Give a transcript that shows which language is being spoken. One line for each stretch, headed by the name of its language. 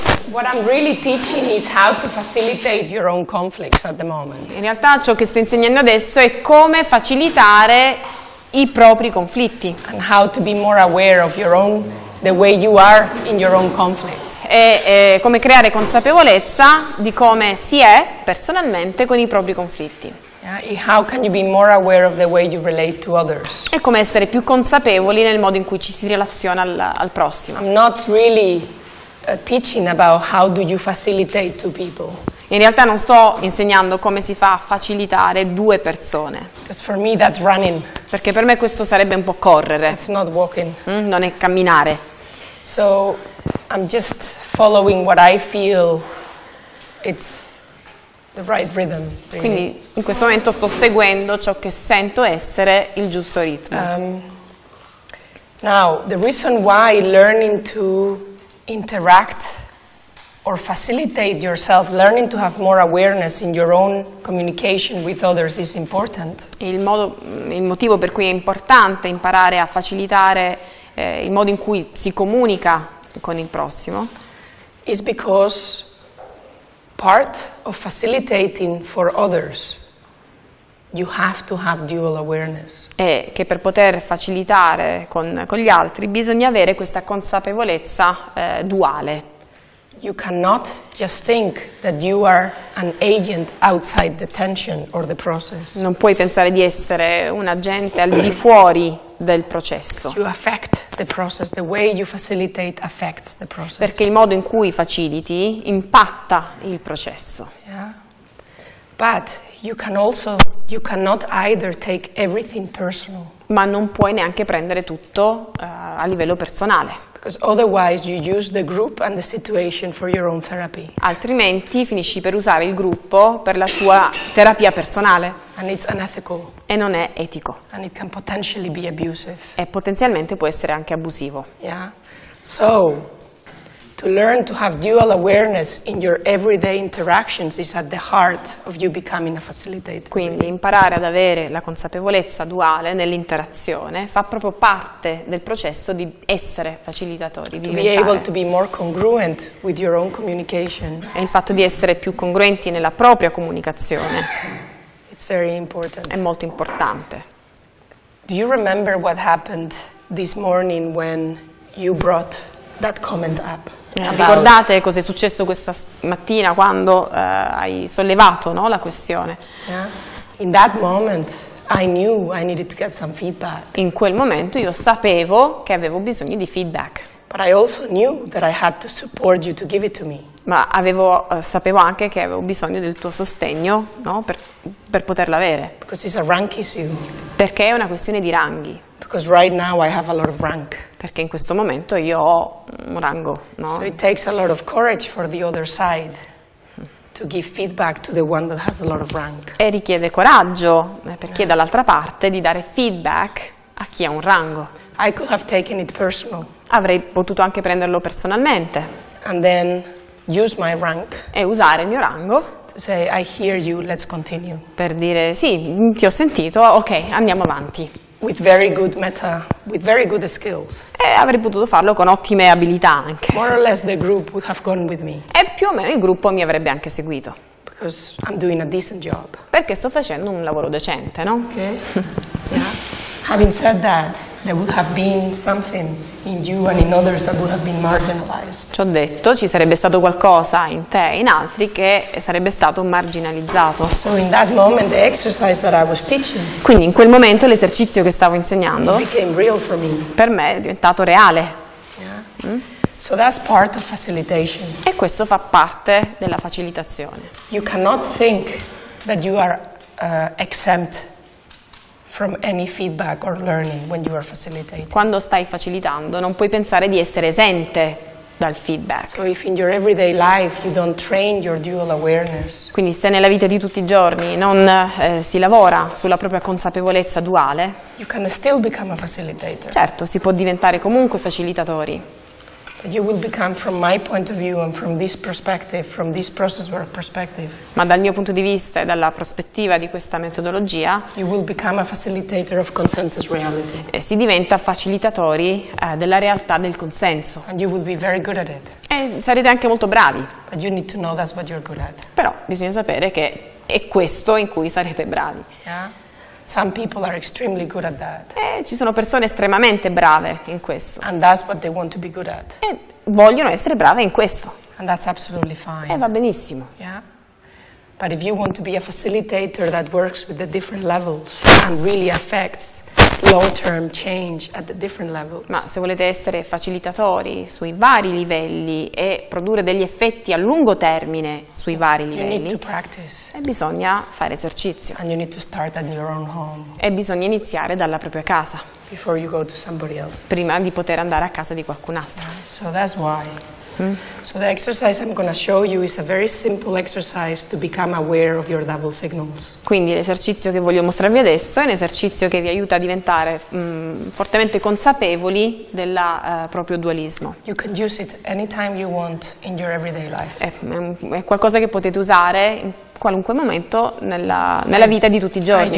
English: What I'm really teaching is how to facilitate your own conflicts at the moment.
Italian: In realtà, ciò che sto insegnando adesso è come facilitare i propri conflitti.
English: And how to be more aware of your own, the way you are in your own conflict.
Italian: E come creare consapevolezza di come si è personalmente con i propri conflitti.
English: Yeah, how can you be more aware of the way you relate to others?
Italian: E come essere più consapevoli nel modo in cui ci si relaziona al prossimo.
English: I'm not really teaching about how do you facilitate two people.
Italian: In realtà non sto insegnando come si fa a facilitare due persone.
English: Because for me that's running.
Italian: Perché per me questo sarebbe un po' correre.
English: It's not walking.
Italian: Non è camminare.
English: So I'm just following what I feel it's the right rhythm. Really.
Italian: Quindi in questo momento sto seguendo ciò che sento essere il giusto ritmo.
English: Now the reason why learning to interact or facilitate yourself learning to have more awareness in your own communication with others is important.
Italian: Il motivo per cui è importante imparare a facilitare il modo in cui si comunica con il prossimo
English: is because part of facilitating for others you have to have dual awareness.
Italian: È che per poter facilitare con gli altri bisogna avere questa consapevolezza duale.
English: You cannot just think that you are an agent outside the tension or the process.
Italian: Non puoi pensare di essere un agente al di fuori del processo.
English: You affect the process, the way you facilitate affects the process.
Italian: Perché il modo in cui faciliti impatta il processo.
English: Yeah. But you can also, you cannot either take everything personal.
Italian: Ma non puoi neanche prendere tutto a livello personale.
English: Because otherwise you use the group and the situation for your own therapy.
Italian: Altrimenti finisci per usare il gruppo per la tua terapia personale.
English: And it's unethical.
Italian: E non è etico.
English: And it can potentially be abusive.
Italian: E potenzialmente può essere anche abusivo.
English: Yeah. So to learn to have dual awareness in your everyday interactions is at the heart of you becoming a facilitator.
Italian: Quindi imparare ad avere la consapevolezza duale nell'interazione fa proprio parte del processo di essere facilitatori, di diventare.
English: To be able to be more congruent with your own communication.
Italian: E il fatto di essere più congruenti nella propria comunicazione.
English: It's very important.
Italian: È molto importante.
English: Do you remember what happened this morning when you brought that comment up?
Italian: Ricordate cosa è successo questa mattina quando hai sollevato, no, la questione?
English: Yeah. In that moment I knew I needed to get some feedback.
Italian: In quel momento io sapevo che avevo bisogno di feedback.
English: But I also knew that I had to support you to give it to me.
Italian: Ma sapevo anche che avevo bisogno del tuo sostegno, no, per poterla avere.
English: Because it's a rank issue.
Italian: Perché è una questione di ranghi.
English: Because right now I have a lot of rank.
Italian: Perché in questo momento io ho un rango, no?
English: So it takes a lot of courage for the other side to give feedback to the one that has a lot of rank.
Italian: E richiede coraggio per chi è dall'altra parte di dare feedback a chi ha un rango.
English: I could have taken it personal.
Italian: Avrei potuto anche prenderlo personalmente.
English: And then use my rank.
Italian: E usare il mio rango.
English: To say I hear you, let's continue.
Italian: Per dire sì, ti ho sentito, ok, andiamo avanti.
English: With very good meta, with very good skills.
Italian: E avrei potuto farlo con ottime abilità anche.
English: More or less the group would have gone with me.
Italian: E più o meno il gruppo mi avrebbe anche seguito.
English: Because I'm doing a decent job.
Italian: Perché sto facendo un lavoro decente, no?
English: Okay. Yeah. Having said that, there would have been something in you and in others that would have been marginalized.
Italian: Ci ho detto, ci sarebbe stato qualcosa in te e in altri che sarebbe stato marginalizzato.
English: So in that moment, the exercise that I was teaching.
Italian: Quindi in quel momento l'esercizio che stavo insegnando
English: became real for me.
Italian: Per me è diventato reale.
English: Yeah. Mm? So that's part of facilitation.
Italian: E questo fa parte della facilitazione.
English: You cannot think that you are exempt from any feedback or learning when you are facilitating.
Italian: Quando stai facilitando non puoi pensare di essere esente dal feedback.
English: So if in your everyday life you don't train your dual awareness.
Italian: Quindi se nella vita di tutti i giorni non si lavora sulla propria consapevolezza duale,
English: you can still become a facilitator.
Italian: Certo, si può diventare comunque facilitatori.
English: But you will become from my point of view and from this perspective, from this process work perspective.
Italian: Ma dal mio punto di vista e dalla prospettiva di questa metodologia,
English: you will become a facilitator of consensus reality.
Italian: E si diventa facilitatori della realtà del consenso.
English: And you will be very good at it.
Italian: E sarete anche molto bravi.
English: But you need to know that's what you're good at.
Italian: Però bisogna sapere che è questo in cui sarete bravi.
English: Yeah. Some people are extremely good at that.
Italian: Ci sono persone estremamente brave in questo.
English: And that's what they want to be good at.
Italian: E vogliono essere brave in questo.
English: And that's absolutely fine.
Italian: E va benissimo.
English: Yeah. But if you want to be a facilitator that works with the different levels and really affects long-term change at the different levels.
Italian: Ma se volete essere facilitatori sui vari livelli e produrre degli effetti a lungo termine sui vari livelli,
English: you need to practice.
Italian: E bisogna fare esercizio.
English: And you need to start at your own home.
Italian: E bisogna iniziare dalla propria casa.
English: Before you go to somebody else.
Italian: Prima di poter andare a casa di qualcun altro.
English: So that's why. So the exercise I'm going to show you is a very simple exercise to become aware of your double signals.
Italian: Quindi l'esercizio che voglio mostrarvi adesso è un esercizio che vi aiuta a diventare fortemente consapevoli della proprio dualismo.
English: You can use it anytime you want in your everyday life.
Italian: È qualcosa che potete usare in qualunque momento nella vita di tutti i giorni.